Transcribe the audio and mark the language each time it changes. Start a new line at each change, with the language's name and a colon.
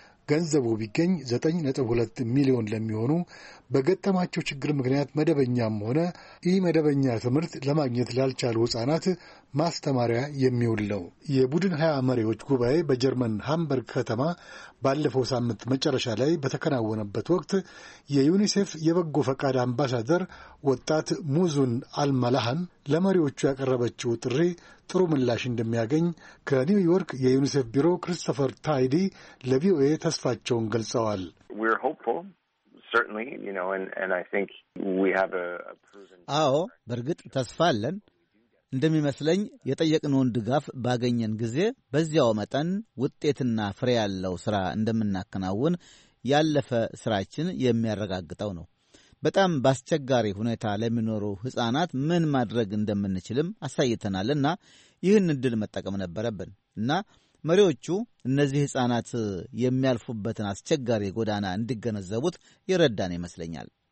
Amharic: ገንዘቡ ቢገኝ 9.2 ሚሊዮን ለሚሆኑ በገጠማቸው ችግር ምክንያት መደበኛም ሆነ ኢ መደበኛ ትምህርት ለማግኘት ላልቻሉ ሕፃናት ማስተማሪያ የሚውል ነው። የቡድን 20 መሪዎች ጉባኤ በጀርመን ሃምበርግ ከተማ ባለፈው ሳምንት መጨረሻ ላይ በተከናወነበት ወቅት የዩኒሴፍ የበጎ ፈቃድ አምባሳደር ወጣት ሙዙን አልመላህን ለመሪዎቹ ያቀረበችው ጥሪ ጥሩ ምላሽ እንደሚያገኝ ከኒውዮርክ የዩኒሴፍ ቢሮ ክሪስቶፈር ታይዲ ለቪኦኤ ተስፋቸውን ገልጸዋል።
English: Certainly, you know, and I think we have a proven...
Amharic: አዎ፣ በርግጥ ተስፋ አለን። እንደሚመስለኝ የጠየቅነውን ድጋፍ ባገኘን ጊዜ በዚያው መጠን ውጤትና ፍሬ ያለው ሥራ እንደምናከናውን ያለፈ ሥራችን የሚያረጋግጠው ነው። በጣም በአስቸጋሪ ሁኔታ ለሚኖሩ ሕፃናት ምን ማድረግ እንደምንችልም አሳይተናልና ይህን እድል መጠቀም ነበረብን እና መሪዎቹ እነዚህ ሕፃናት የሚያልፉበትን አስቸጋሪ ጎዳና እንዲገነዘቡት ይረዳን ይመስለኛል።